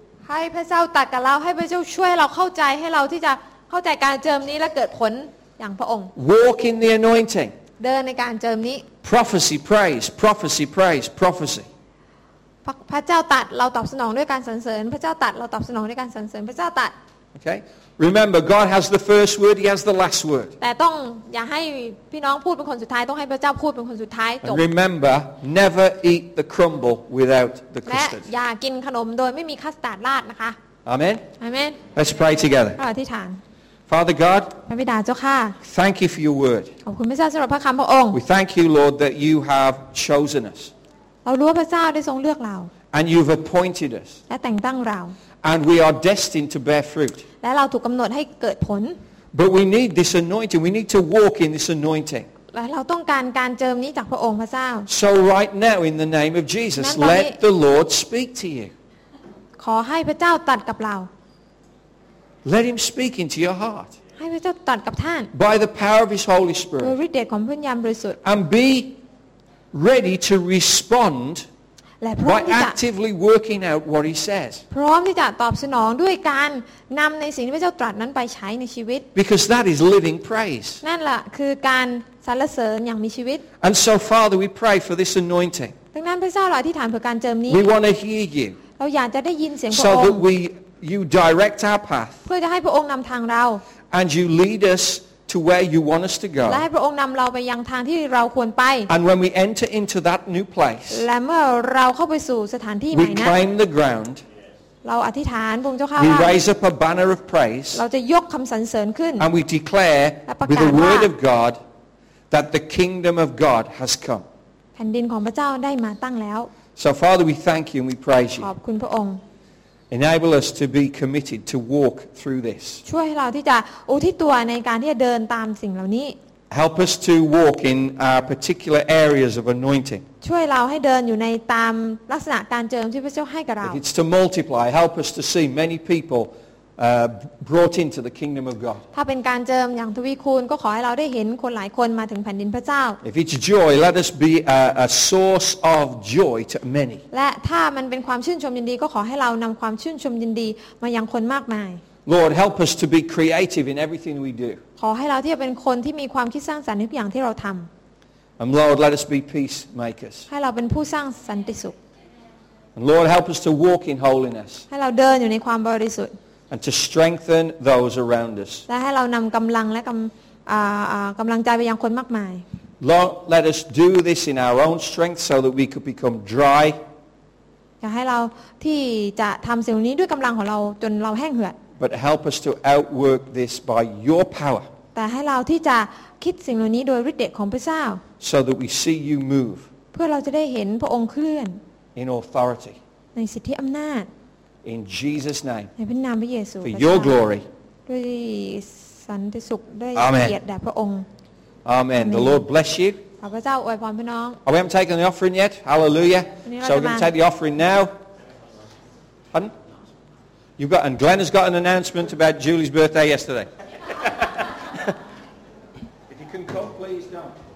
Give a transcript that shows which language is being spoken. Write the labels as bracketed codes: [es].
[th] ให้พระเจ้าตัดกับเราให้พระเจ้าช่วยเราเข้าใจให้เราที่จะเข้าใจการเจิมนี้และเกิดผลอย่างพระองค์ [en] Walk in the anointing. [th] เดินในการเจิมนี้ [en] Prophecy, praise, prophecy, praise, prophecy. [th] พระเจ้าตัดเราตอบสนองด้วยการสรรเสริญพระเจ้าตัดเราตอบสนองด้วยการสรรเสริญพระเจ้าตัด [en] Okay. Remember, God has the first word; He has the last word. [th] แต่ต้องอย่าให้พี่น้องพูดเป็นคนสุดท้ายต้องให้พระเจ้าพูดเป็นคนสุดท้ายจบ [en] Remember, never eat the crumble without the custard. [th] และอย่ากินขนมโดยไม่มีคัสตาร์ดราดนะคะ [en] Amen. Amen. Let's pray together. [th] ขออธิษฐาน [en] Father God. [th] พระบิดาเจ้าค่ะ [en] Thank you for your word. [th] ขอบคุณพระเจ้าสำหรับพระคำพระองค์ [en] We thank you, Lord, that you have chosen us. [th] เรารู้ว่าพระเจ้าได้ทรงเลือกเรา [en] And you've appointed us. [th] และแต่งตั้งเรา [en] And we are destined to bear fruit. [th] และเราถูกกำหนดให้เกิดผล [en] But we need this anointing. We need to walk in this anointing. [th] และเราต้องการการเจิมนี้จากพระองค์พระเจ้า [en] So right now, in the name of Jesus, let the Lord speak to you. [th] ขอให้พระเจ้าตัดกับเรา [en] Let Him speak into your heart. [th] ให้พระเจ้าตัดกับท่าน [en] By the power of His Holy Spirit. [th] โดยฤทธิ์เดชของพระวิญญาณบริสุทธิ์ [en] And be ready to respond. By actively working out what he says. [th] พร้อมที่จะตอบสนองด้วยการนำในสิ่งที่พระเจ้าตรัสนั้นไปใช้ในชีวิต [en] Because that is living praise. [th] นั่นล่ะคือการสรรเสริญอย่างมีชีวิต [en] And so Father, we pray for this anointing. [th] ดังนั้นพระเจ้าเราอธิษฐานเพื่อการเจิมนี้ [en] We want to hear you. [th] เราอยากจะได้ยินเสียงพ [en] ระองค์ So that we you direct our path. [th] เพื่อจะให้พระองค์นำทางเรา [en] And you lead us. To where you want us to go. [th] และให้พระองค์นำเราไปยังทางที่เราควรไป [en] And when we enter into that new place, [th] และเมื่อเราเข้าไปสู่สถานที่ใหม่นั้น [en] we claim the ground. [th] เราอธิษฐานพระเจ้าค่ะ [en] We raise up a banner of praise. [th] เราจะยกคำสรรเสริญขึ้น [en] And we declare with the word of God that the kingdom of God has come. [th] แผ่นดินของพระเจ้าได้มาตั้งแล้ว [en] So Father, we thank you and we praise you. [th] ขอบคุณพระองค์ [en] Enable us to be committed to walk through this. [th] ช่วยให้เราที่จะอุทิศตัวในการที่จะเดินตามสิ่งเหล่านี้ [en] Help us to walk in our particular areas of anointing. [th] ช่วยเราให้เดินอยู่ในตามลักษณะการเจิมที่พระเจ้าให้กับเรา [en] It's to multiply. Help us to see many people brought into the kingdom of God. [th] ถ้าเป็นการเจิมอย่างทวีคูณก็ขอให้เราได้เห็นคนหลายคนมาถึงแผ่นดินพระเจ้า [en] If it's joy, let us be a source of joy to many. [th] และถ้ามันเป็นความชื่นชมยินดีก็ขอให้เรานำความชื่นชมยินดีมายังคนมากมาย [en] Lord, help us to be creative in everything we do. [th] ขอให้เราที่จะเป็นคนที่มีความคิดสร้างสรรค์ในทุกอย่างที่เราทำ [en] And Lord, let us be peacemakers. [th] ให้เราเป็นผู้สร้างสันติสุข [en] And Lord, help us to walk in holiness. [th] ให้เราเดินอยู่ในความบริสุทธิ์ [en] And to strengthen those around us. [th] และให้เรานำกำลังและกำลังใจไปยังคนมากมาย [en] Lord, let us do this in our own strength so that we could become dry. [th] อยากให้เราที่จะทำสิ่งนี้ด้วยกำลังของเราจนเราแห้งเหือด [en] But help us to outwork this by your power. [th] แต่ให้เราที่จะคิดสิ่งเหล่านี้โดยฤทธิ์เดชของพระเจ้า [en] So that we see you move. [th] เพื่อเราจะได้เห็นพระองค์เคลื่อน [en] In authority. [th] ในสิทธิอำนาจ [en] In Jesus' name. [th] ในพระนามพระเยซู [en] For your glory. [th] ด้วยสันติสุขด้วยเกียรติแด่พระองค์ [en] Amen. The Lord bless you. [th] ขอพระเจ้าอวยพรพี่น้อง [en] We haven't taken the offering yet. Hallelujah. So we're going to take the offering now. Pardon? You've got, and Glenn has got an announcement about Julie's birthday yesterday. If you can come, please don't.